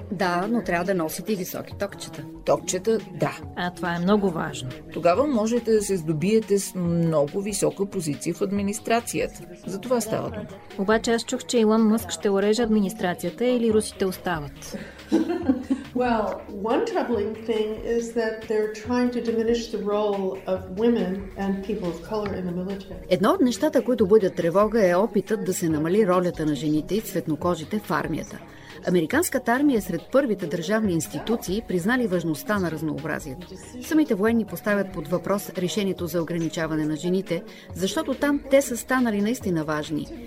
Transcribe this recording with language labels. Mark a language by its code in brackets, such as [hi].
[bg] Да, но трябва да носите и високи токчета. Токчета, да. А това е много важно. Тогава можете да се здобиете с много висока позиция в администрацията. За това става дума. Обаче аз чух, че Илон Мъск ще уреже администрацията или русите остават. [en] Well, one troubling thing is that they're trying to diminish the role of women and people of color in the military. [bg] Едно от нещата, които будят тревога, е опитът да се намали ролята на жените и цветнокожите в армията. Американската армия е сред първите държавни институции, признали важността на разнообразието. Самите военни поставят под въпрос решението за ограничаване на жените, защото там те са станали наистина важни.